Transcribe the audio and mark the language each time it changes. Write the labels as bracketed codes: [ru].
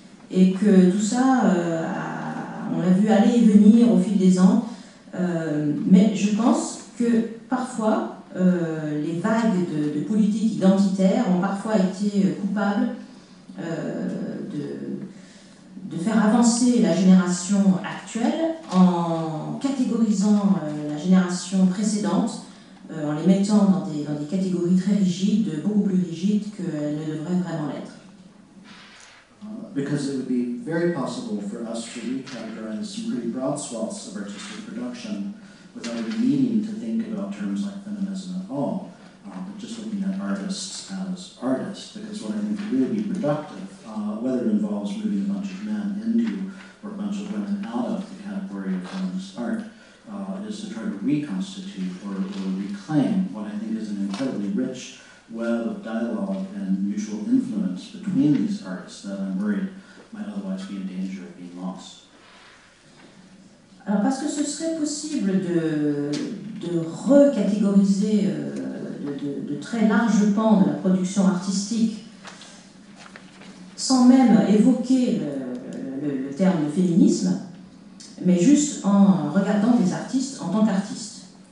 [fr] Et que tout ça, on l'a vu aller et venir au fil des ans, mais je pense que parfois, les vagues de politique identitaire ont parfois été coupables de faire avancer la génération actuelle en catégorisant la génération précédente, en les mettant dans des catégories très rigides, beaucoup plus rigides qu'elles ne devraient vraiment l'être. [en] Because it would be very possible for us to recategorize some pretty broad swaths of artistic production without even needing to think about terms like feminism at all, but just looking at artists as artists, because what I think would really be productive, whether it involves moving a bunch of men into or a bunch of women out of the category of feminist art, is to try to reconstitute or reclaim what I think is an incredibly rich web of dialogue and mutual influence between these artists that I'm worried might otherwise be in danger of being lost. [fr] Alors, parce que ce serait possible de recatégoriser de très larges pans de la production artistique sans même évoquer le terme de féminisme, mais juste en regardant des artistes en tant qu'artistes.